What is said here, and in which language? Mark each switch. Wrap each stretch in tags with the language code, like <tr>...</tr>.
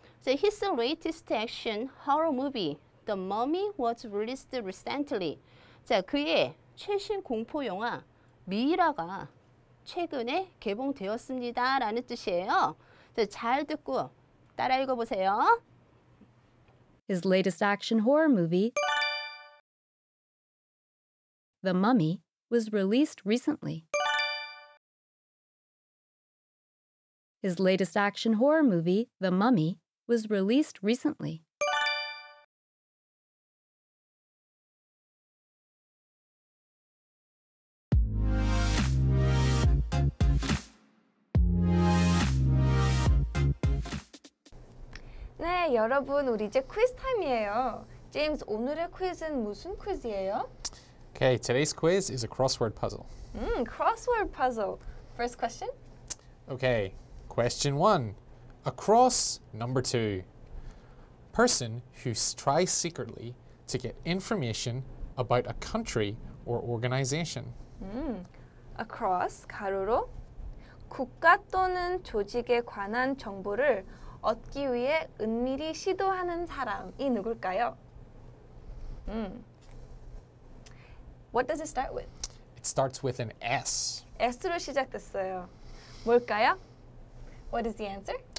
<en>So his latest action horror movie, The Mummy, was released recently.</en> <ko>자, 그의 최신 공포 영화, 미라가 최근에 개봉되었습니다. 라는 뜻이에요. 자, 잘 듣고 따라 읽어보세요.</ko> <en>His latest action horror movie, The Mummy, was released recently. His latest action horror movie, The Mummy, was released recently.</en> <ko>네, 여러분, 우리 이제 퀴즈 타임이에요. 제임스, 오늘의 퀴즈는 무슨 퀴즈예요?</ko> <en>Okay, today's quiz is a crossword puzzle. Crossword puzzle. First question? Okay, question one. Across number two. Person who tries secretly to get information about a country or organization. Across, 가로로.</en> <ko>국가 또는 조직에 관한 정보를 얻기 위해 은밀히 시도하는 사람이 누굴까요?</ko> <en>What does it start with? It starts with an S.</en> <ko>S로 시작됐어요. 뭘까요?</ko> <en>What is the answer?</en>